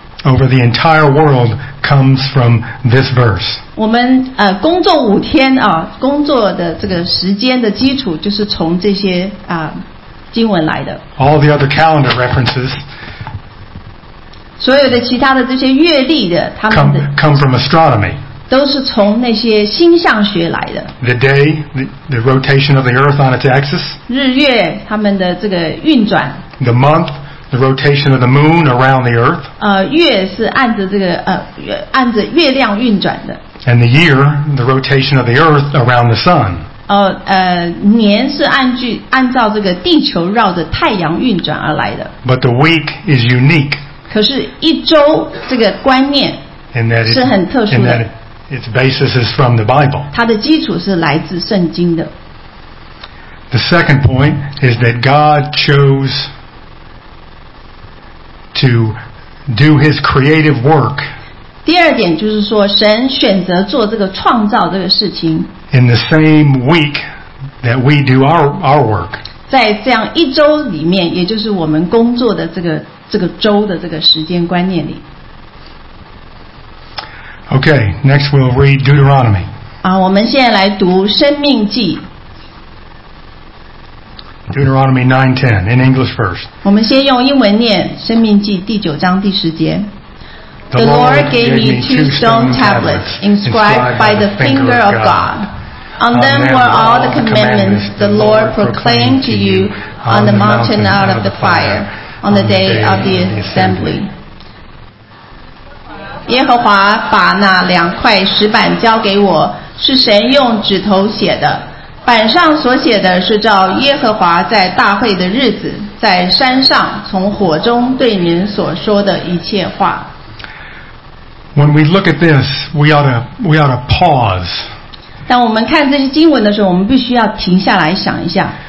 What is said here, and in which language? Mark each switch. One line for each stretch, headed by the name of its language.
English: over the entire world comes from this verse.
Chinese: 我们工作五天啊，工作的这个时间的基础就是从这些经文来的。
English: All the other calendar references.
Chinese: 所有的其他的这些月历的，他们的
English: come from astronomy.
Chinese: 都是从那些星象学来的。
English: The day, the rotation of the earth on its axis.
Chinese: 日月他们的这个运转。
English: The month, the rotation of the moon around the earth.
Chinese: 月是按着这个按着月亮运转的。
English: And the year, the rotation of the earth around the sun.
Chinese: 年是按照这个地球绕着太阳运转而来的。
English: But the week is unique.
Chinese: 可是一周这个观念是很特殊的。
English: Its basis is from the Bible.
Chinese: 它的基础是来自圣经的。
English: The second point is that God chose to do His creative work.
Chinese: 第二点就是说，神选择做这个创造这个事情。
English: In the same week that we do our work.
Chinese: 在这样一周里面，也就是我们工作的这个周的这个时间观念里。
English: Okay, next we'll read Deuteronomy.
Chinese: 我们现在来读生命记。
English: Deuteronomy 9:10, in English first.
Chinese: 我们先用英文念生命记第九章第十节。
English: The Lord gave me two stone tablets inscribed by the finger of God. On them were all the commandments the Lord proclaimed to you on the mountain out of the fire on the day of the assembly.
Chinese: 耶和华把那两块石板交给我，是神用指头写的。板上所写的是照耶和华在大会的日子，在山上从火中对你们所说的一切话。
English: When we look at this, we ought to pause.
Chinese: 当我们看这些经文的时候，我们必须要停下来想一下。